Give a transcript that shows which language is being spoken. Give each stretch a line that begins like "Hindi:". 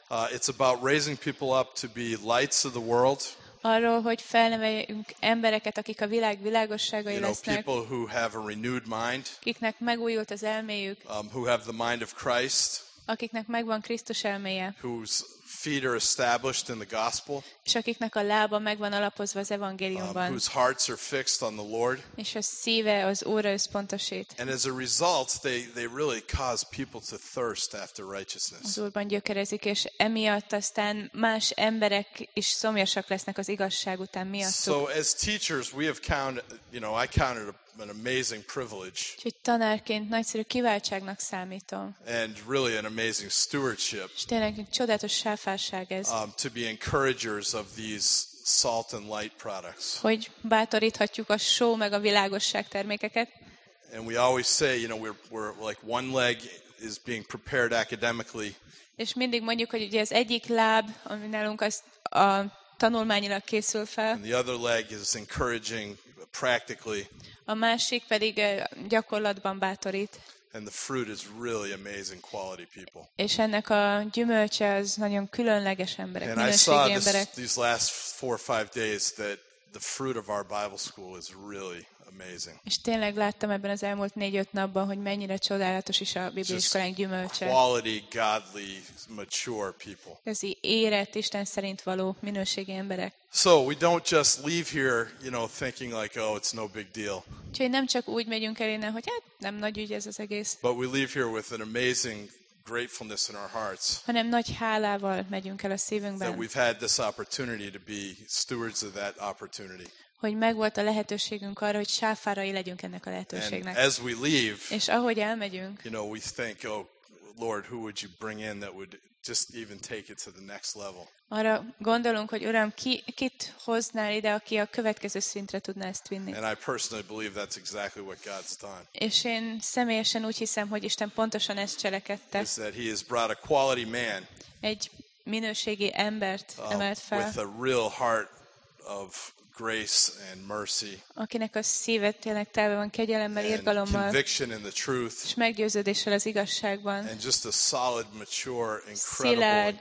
English: It's about raising people up to be lights of the world.
Hungarian: Arról, hogy felneveljünk embereket, akik a világ világosságai lesznek.
English: People who have a renewed mind.
Hungarian: Akiknek megújult az elméjük.
English: Who have the mind of Christ.
Hungarian: Akiknek megvan Krisztus elméje.
English: Whose feet are established in the gospel.
Hungarian: És akiknek a lába megvan alapozva az evangéliumban.
English: Whose hearts are fixed on the Lord.
Hungarian: És a szíve az Úrra összpontosít.
English: And as a result, they really cause people to thirst after righteousness.
Hungarian: Az Úrban gyökerezik, és emiatt aztán más emberek is szomjasak lesznek az igazság után miattuk.
English: So as teachers, we have counted, you know, I counted an amazing privilege.
Hungarian: Úgyhogy tanárként nagyszerű kiváltságnak számítom.
English: And really an amazing stewardship.
Hungarian: És tényleg egy csodálatos sáfárság ez.
English: To be encouragers of these salt and light products.
Hungarian: Hogy bátoríthatjuk a só meg a világosság termékeket.
English: And we always say, you know, we're like one leg is being prepared academically.
Hungarian: És mindig mondjuk, hogy ugye az egyik láb, ami nálunk az a tanulmányilag készül fel.
English: And the other leg is encouraging practically.
Hungarian: A másik pedig gyakorlatban bátorít.
English: And the fruit is really amazing quality people.
Hungarian: És ennek a gyümölcse az nagyon különleges emberek, minőségi emberek.
English: These last 4 or 5 days that the fruit of our Bible school is really amazing.
Hungarian: És tényleg láttam ebben az elmúlt 4-5 napban, hogy mennyire csodálatos is a bibliaiskolánk gyümölcse.
English: Quality, godly, mature people.
Hungarian: Ez érett, Isten szerint való minőségi emberek.
English: So we don't just leave here, you know, thinking like, oh, it's no big deal.
Hungarian: Úgyhogy nem csak úgy megyünk el innen, hogy hát nem nagy ügy ez az egész.
English: But we leave here with an amazing gratefulness in our hearts.
Hungarian: Hanem nagy hálával megyünk el a szívünkben.
English: That we've had this opportunity to be stewards of that opportunity.
Hungarian: Hogy megvolt a lehetőségünk arra, hogy sáfárai legyünk ennek a lehetőségnek.
English: And as we leave,
Hungarian: és ahogy elmegyünk,
English: you know, we think, oh Lord, who would you bring in that would just even take it to the next level?
Hungarian: Arra gondolunk, hogy Uram, kit hoznál ide, aki a következő szintre tudná ezt vinni.
English: And I personally believe that's exactly what God's done.
Hungarian: És én személyesen úgy hiszem, hogy Isten pontosan ezt cselekedte.
English: Is that he has brought a quality man.
Hungarian: Egy minőségi embert emelt fel.
English: With a real heart of grace and mercy.
Hungarian: Akinek a szíve tényleg tele van kegyelemmel, irgalommal.
English: Conviction in the truth.
Hungarian: És meggyőződéssel az igazságban.
English: And just a solid, mature, incredible encourager.